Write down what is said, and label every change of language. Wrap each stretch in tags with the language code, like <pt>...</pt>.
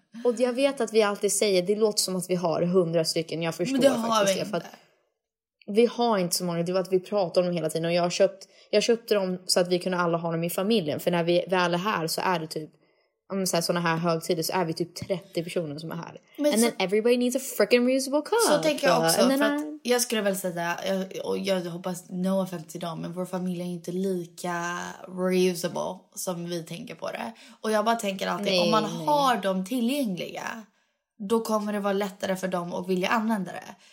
<sv>Och jag vet att vi alltid säger, det låter som att vi har 100 stycken, jag förstår det faktiskt. Men det har vi inte. Vi har inte så många, det är att vi pratar om dem hela tiden. Och jag köpte dem så att vi kunde alla ha dem i familjen. För när vi väl är här så är det typ, om så här, sådana här högtider, så är vi typ 30 personer som är här. Men</sv> <en>and så, then everybody needs a freaking reusable cup.</en> <sv>Så tänker jag också, för att jag skulle väl säga, och jag hoppas</sv> <en>no offense</en> <sv>till dem, men vår familj är inte lika reusable som vi tänker på det. Och jag bara tänker alltid, nej, om man har dem tillgängliga, då kommer det vara lättare för dem att vilja använda det.</sv>